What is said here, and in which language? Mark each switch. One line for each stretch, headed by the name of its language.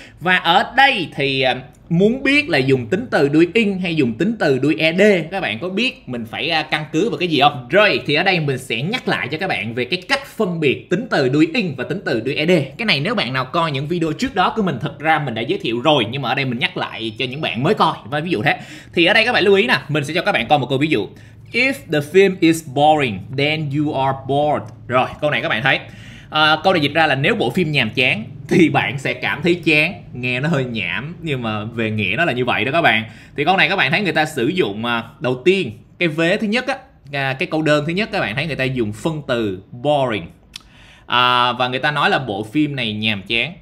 Vietnamese: Và ở đây thì muốn biết là dùng tính từ đuôi in hay dùng tính từ đuôi ed, các bạn có biết mình phải căn cứ vào cái gì không? Rồi thì ở đây mình sẽ nhắc lại cho các bạn về cái cách phân biệt tính từ đuôi in và tính từ đuôi ed. Cái này nếu bạn nào coi những video trước đó của mình, thật ra mình đã giới thiệu rồi, nhưng mà ở đây mình nhắc lại cho những bạn mới coi. Và ví dụ thế thì ở đây các bạn lưu ý nè, mình sẽ cho các bạn coi một câu ví dụ.
English: If the film is boring then you are bored.
Vietnamese: Rồi câu này các bạn thấy câu này dịch ra là nếu bộ phim nhàm chán thì bạn sẽ cảm thấy chán. Nghe nó hơi nhảm nhưng mà về nghĩa nó là như vậy đó các bạn. Thì câu này các bạn thấy người ta sử dụng đầu tiên cái vế thứ nhất á, cái câu đơn thứ nhất các bạn thấy người ta dùng phân từ boring và người ta nói là bộ phim này nhàm chán.